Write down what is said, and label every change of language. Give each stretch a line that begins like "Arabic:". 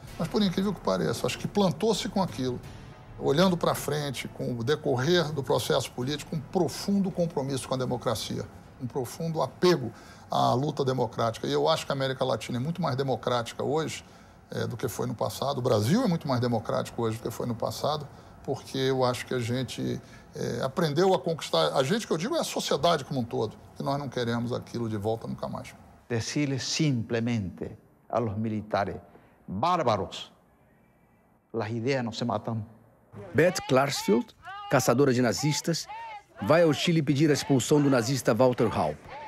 Portuguese: Mas, por incrível que pareça, acho que plantou-se com aquilo, olhando para frente, com o decorrer do processo político, um profundo compromisso com a democracia, um profundo apego à luta democrática. E eu acho que a América Latina é muito mais democrática hoje do que foi no passado. O Brasil é muito mais democrático hoje do que foi no passado, porque eu acho que a gente aprendeu a conquistar. A gente, que eu digo, é a sociedade como um todo, que nós não queremos aquilo de volta nunca mais.
Spanish: Decirle simplemente a los militares, bárbaros, las ideas no se matan.
Portuguese: Beth Clarsfield, caçadora de nazistas, vai ao Chile pedir a expulsão do nazista Walter Haupt.